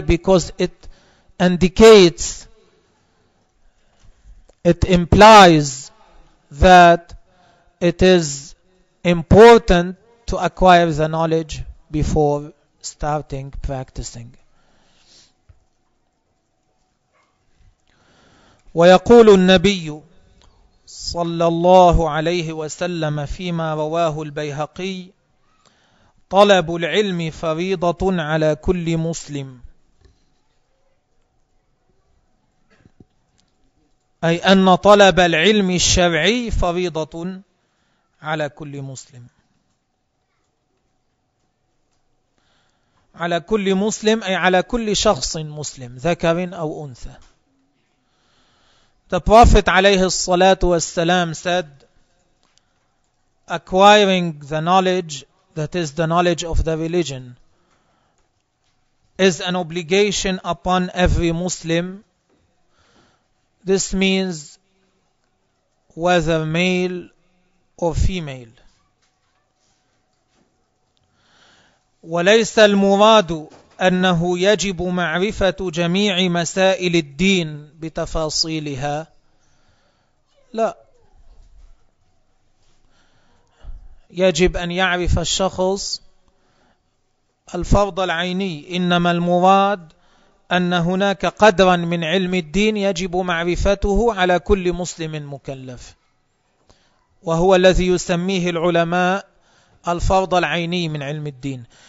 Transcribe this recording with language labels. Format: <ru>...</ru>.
<en>Because it indicates, it implies that it is important to acquire the knowledge before starting practicing.</en> <ar>ويقول النبي صلى الله عليه وسلم فيما رواه البيهقي طلب العلم فريضة على كل مسلم أي أن طلب العلم الشرعي فريضة على كل مسلم على كل مسلم أي على كل شخص مسلم ذكر أو أنثى.</ar> <en>The Prophet عليه الصلاة والسلام said, acquiring the knowledge, that is the knowledge of the religion, is an obligation upon every Muslim. This means whether male or female.</en> <ar>وليس المراد أنه يجب معرفة جميع مسائل الدين بتفاصيلها. لا. يجب أن يعرف الشخص الفرض العيني، إنما المراد أن هناك قدرا من علم الدين يجب معرفته على كل مسلم مكلف، وهو الذي يسميه العلماء الفرض العيني من علم الدين.</ar>